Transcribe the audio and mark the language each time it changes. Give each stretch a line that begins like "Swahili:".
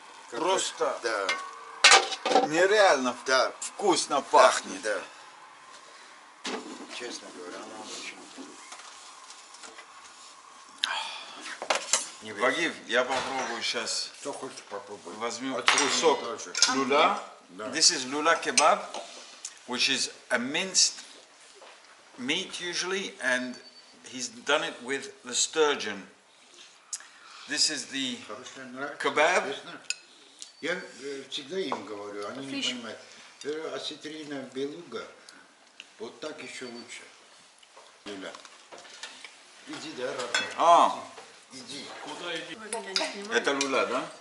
Russian: Как просто. Да. Нереально. Да. Вкусно пахнет. Да. Честно говоря, она очень. Вагив, я попробую сейчас. Кто хочет попробовать? Возьмем кусок люля.
English: This is люля kebab, which is a minced meat usually, and he's done it with the sturgeon. This is the kebab.
Russian: Я всегда им говорю, они не понимают. Осетрина белуга, вот так еще лучше. Люля. Иди, да, родной. А. Иди. Куда иди? Это люля, да?